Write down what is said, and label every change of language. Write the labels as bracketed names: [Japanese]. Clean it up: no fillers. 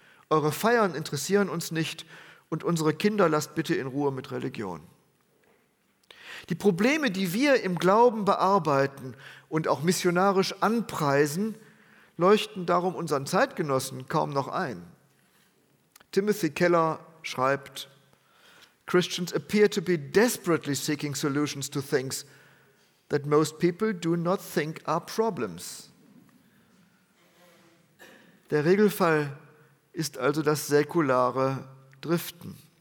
[German] Eure Feiern interessieren uns nicht und unsere Kinder lasst bitte in Ruhe mit Religion. Die Probleme, die wir im Glauben bearbeiten und auch missionarisch anpreisen, leuchten darum unseren Zeitgenossen kaum noch ein. [English] Timothy Keller schreibt: Christians appear to be desperately seeking solutions to things that most people do not think are problems. [German] Der Regelfall ist also das säkulare Driften.